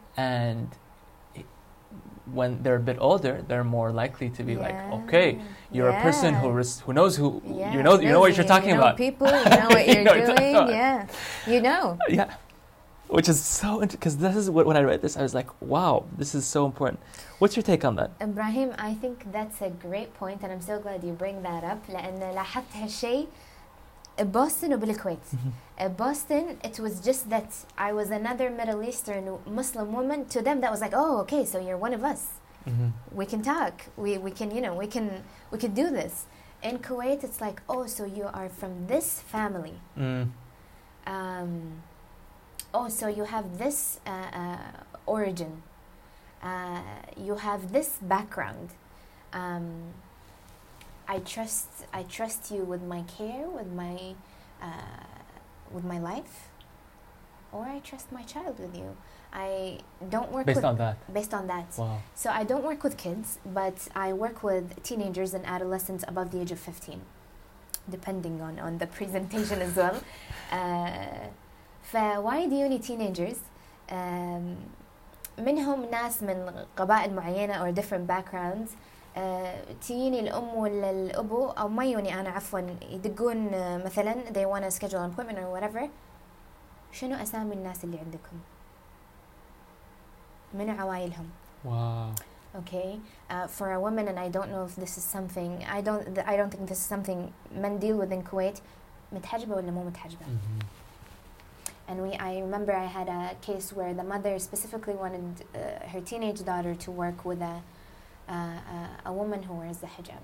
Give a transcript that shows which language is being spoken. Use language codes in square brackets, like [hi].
[en] And when they're a bit older, they're more likely to be like, okay, you're a person who knows who, you know what you're talking about. People, you know what you're doing, you know. Yeah, which is so interesting, because this is when I read this, I was like, wow, this is so important. What's your take on that? Ibrahim, I think that's a great point, and I'm so glad you bring that up. [ar] لأن لاحظت هالشيء بوسطن وبالكويت. [en] Boston, it was just that I was another Middle Eastern Muslim woman. To them, that was like, oh, okay, so you're one of us. Mm-hmm. We can talk. We can do this. In Kuwait, it's like, oh, so you are from this family. Mm. Oh, so you have this origin. You have this background. I trust you with my care, with my life, or I trust my child with you. I don't work based on that. Wow. So I don't work with kids, but I work with teenagers and adolescents above the age of 15, depending on the presentation as well. Why do you need teenagers? [ar] منهم ناس من قبائل معينة [en] or different backgrounds. [ar] تجيني الأم ولا الأبو أو ما يوني أنا عفوا يدقون مثلا [en] they wanna schedule an appointment or whatever. [ar] شنو أسامي الناس اللي عندكم؟ من عوائلهم؟ [en] wow. Okay. For a woman, and I don't know if this is something, I don't think this is something men deal with in Kuwait. [ar] متحجبة ولا مو متحجبة؟ [en] mm-hmm. And I remember I had a case where the mother specifically wanted her teenage daughter to work with a woman who wears the hijab.